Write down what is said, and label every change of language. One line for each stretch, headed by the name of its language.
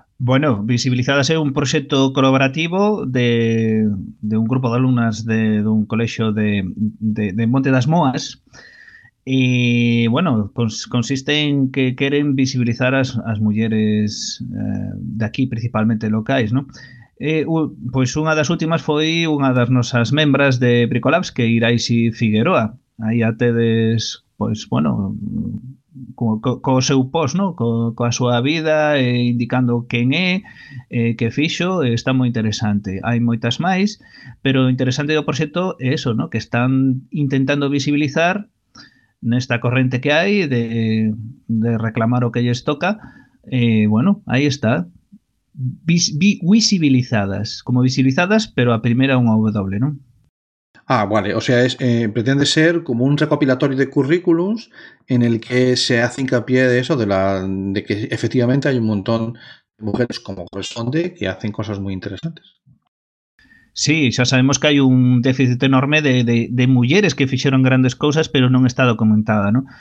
Spanish: Bueno, Visibilizadas es un proyecto colaborativo de un grupo de alumnas de un colegio de Monte das Moas. Y bueno, consiste en que quieren visibilizar a las mujeres de aquí, principalmente locales, ¿no?
Galician: Pues unha das últimas foi unha das nosas membras de Bricolabs, que Iraisi Figueroa. Aí a tedes, pois, bueno, co seu post, ¿no? Coa súa vida, indicando quen é, que fixo, está moi interesante. Hai moitas máis, pero o interesante do proxecto é eso, ¿no? Que están intentando visibilizar nesta corrente que hai de reclamar o que lles toca. Bueno, aí está. Visibilizadas, como visibilizadas, pero a primeira unha W, non? Ah, vale.
Spanish: O sea, pretende ser como un recopilatorio de currículums en el que se hace hincapié de eso, de que efectivamente hay un montón de mujeres como corresponde que hacen cosas muy interesantes. Sí, ya sabemos que hay un déficit enorme de mujeres que fixeron grandes cosas, pero no está documentada, ¿no?